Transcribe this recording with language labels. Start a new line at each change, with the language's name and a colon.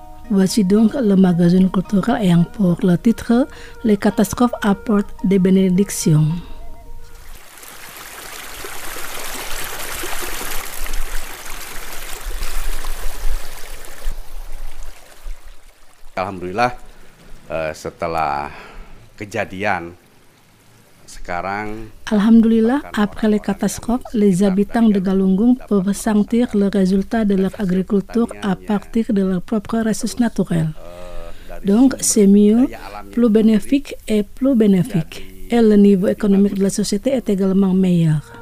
French: Voici donc le magazine culturel ayant pour le titre « Les catastrophes apportent des bénédictions ».
Indonesian: Alhamdulillah, setelah kejadian sekarang.
French: Alhamdulillah, après les catastrophes, les habitants de Galunggung peuvent sentir le résultat de leur agriculture à partir de leurs propres ressources naturelles. Donc, c'est mieux, plus bénéfique et plus bénéfique. Et le niveau économique de la société est également meilleur.